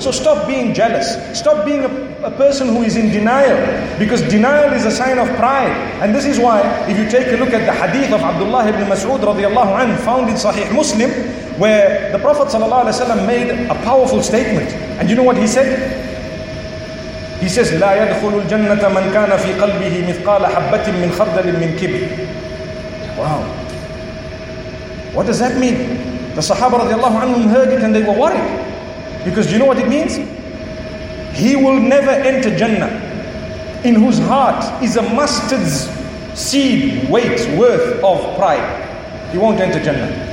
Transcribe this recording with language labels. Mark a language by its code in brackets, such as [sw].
[en] So stop being jealous. Stop being a person who is in denial. Because denial is a sign of pride. And this is why, if you take a look at the hadith of Abdullah ibn Mas'ud radiallahu anhu, found in Sahih Muslim, where the Prophet sallallahu alaihi wasallam made a powerful statement. And you know what he said? He says, [ar] لا يدخل الجنة من كان في قلبه مثقال حبة من خردل من كبر. [en] Wow. What does that mean? The Sahaba radiallahu anhum heard it and they were worried. Because do you know what it means? He will never enter Jannah in whose heart is a mustard seed weight worth of pride. He won't enter Jannah.